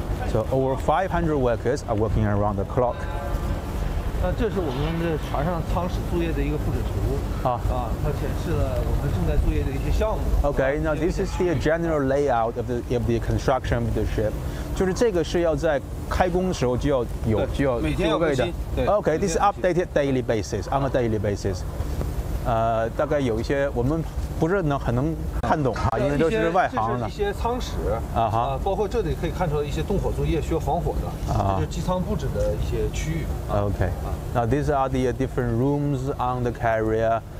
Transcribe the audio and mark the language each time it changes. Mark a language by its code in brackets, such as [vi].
[en] So over 500 workers are working around the clock. [zh] 那这是我们的船上舱室作业的一个布置图。它显示了我们正在作业的一些项目。 [en] OK, now this is the general layout of the construction of the ship. [zh] 就是这个是要在开工的时候就要有就要就位的。 [en] OK, this is updated daily basis, on a daily basis. [zh] 大概有一些我们不是很能看懂哈，因为都是外行的。这是一些舱室啊哈，包括这里可以看出来一些动火作业需要防火的啊，就是机舱布置的一些区域。 [en] OK, now these are the different rooms on the carrier.